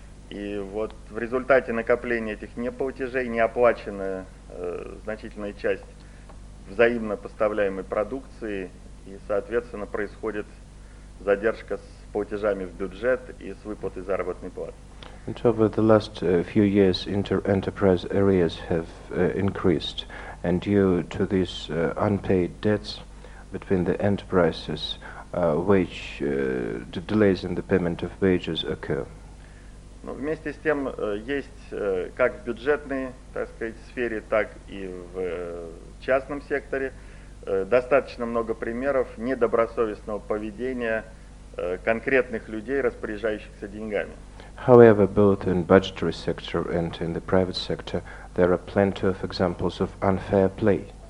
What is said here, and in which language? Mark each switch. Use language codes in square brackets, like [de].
[ru] И вот в результате накопления этих неплатежей неоплачена значительная часть взаимно поставляемой продукции, и соответственно происходит задержка с платежами в бюджет и с выплатой заработной платы. [en] And over the last few years, enterprise areas have increased, and due to these unpaid debts between the enterprises, the delays in the payment of wages occur. [ru] Но вместе с тем есть как в бюджетной, так сказать, сфере, так и в частном секторе достаточно много примеров недобросовестного поведения конкретных людей, распоряжающихся деньгами. [en] However, both in budgetary sector and in the private sector, there are plenty of examples of unfair play.